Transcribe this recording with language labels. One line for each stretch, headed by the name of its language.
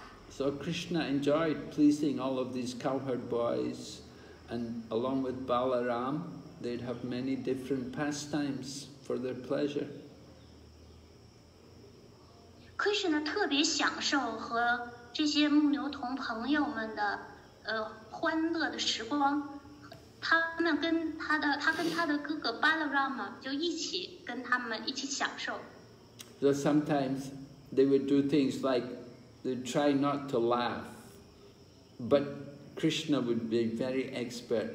English: So Krishna enjoyed pleasing all of these cowherd boys, and along with Balaram, they'd have many different pastimes for their pleasure.
Chinese: Krishna 特别享受和这些牧牛童朋友们的 欢乐的时光，他跟他的哥哥巴拉拉玛就一起跟他们一起享受。
English: So sometimes they would do things like they try not to laugh, but Krishna would be very expert.